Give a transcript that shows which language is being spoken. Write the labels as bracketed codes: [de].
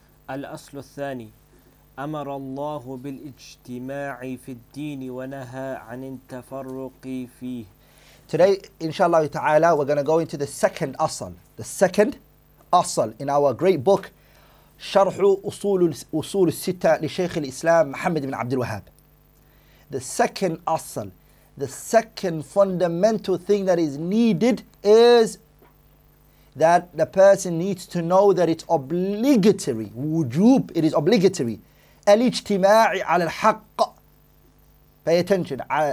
[ar] الأصل الثاني: أمر الله بالاجتماع في الدين ونهى عن التفرق فيه. [en] Today, inshallah ta'ala, we're going to go into the second asl. The second asl in our great book, [ar] شرح أصول الستة لشيخ الإسلام محمد بن عبد الوهاب. [en] The second asl, the second fundamental thing that is needed is that the person needs to know that it's obligatory, wujub, it is obligatory. [ar] الاجتماع على الحق. [en] Pay attention.